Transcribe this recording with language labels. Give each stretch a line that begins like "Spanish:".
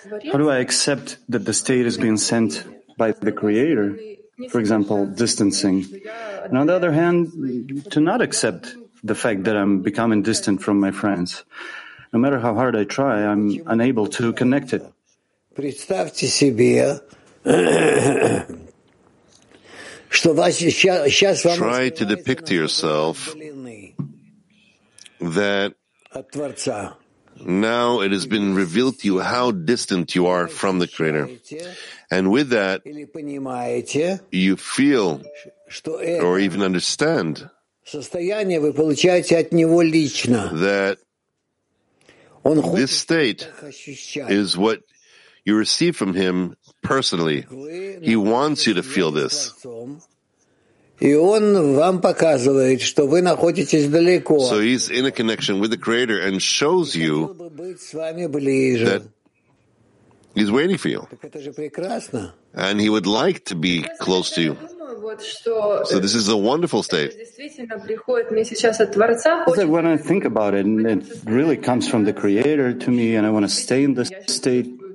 English: How do I accept that the state is being sent by the Creator, for example, distancing? And on the other hand, to not accept the fact that I'm becoming distant from my friends. No matter how hard I try, I'm unable to connect it.
Russian: Представьте себе, что вас сейчас вам.
English: Try to depict to yourself that now it has been revealed to you how distant you are from the Creator. And with that, you feel or even understand that this state is what you receive from Him personally. He wants you to feel this.
Russian: И он вам показывает, что вы находитесь далеко.
English: So he's in a connection with the Creator and shows you that he's waiting for you.
Russian: Так это же прекрасно.
English: And he would like to be close to you. So this is a wonderful state. It's like when I think about it, and it really comes from the Creator to me, and I want to stay in this state.